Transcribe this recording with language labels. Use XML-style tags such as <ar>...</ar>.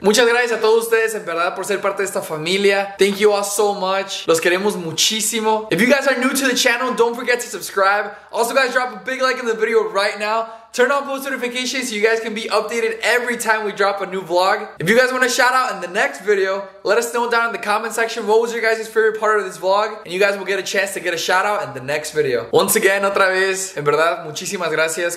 <es>Muchas gracias a todos ustedes, en verdad, por ser parte de esta familia.</es> <en>Thank you all so much.</en> <es>Los queremos muchísimo.</es> <en>If you guys are new to the channel, don't forget to subscribe. Also, guys, drop a big like in the video right now. Turn on post notifications so you guys can be updated every time we drop a new vlog. If you guys want a shout out in the next video, let us know down in the comment section what was your guys' favorite part of this vlog, and you guys will get a chance to get a shout out in the next video. Once again,</en> <es>otra vez, en verdad, muchísimas gracias.</es>